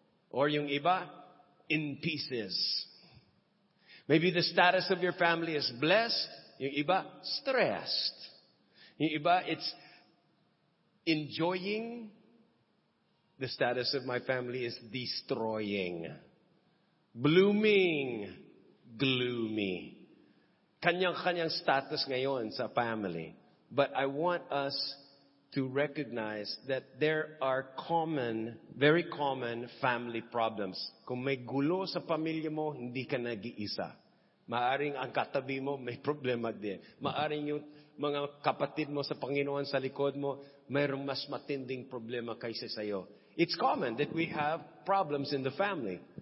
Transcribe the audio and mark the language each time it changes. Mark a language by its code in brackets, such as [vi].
[en] Or [tl] yung iba, [en] in pieces. Maybe the status of your family is blessed. [tl] Yung iba, [en] stressed. [tl] Yung iba, [en] it's enjoying. The status of my family is destroying. Blooming, gloomy. [tl] Kanyang-kanyang status ngayon sa family. [en] But I want us to recognize that there are common, very common family problems. [tl] Kung may gulo sa pamilya mo, hindi ka nag-iisa. Maaring ang katabi mo, may problema din. Maaring yung mga kapatid mo sa Panginoon sa likod mo, mayroong mas matinding problema kaysa sa'yo. [en] It's common that we have problems in the family.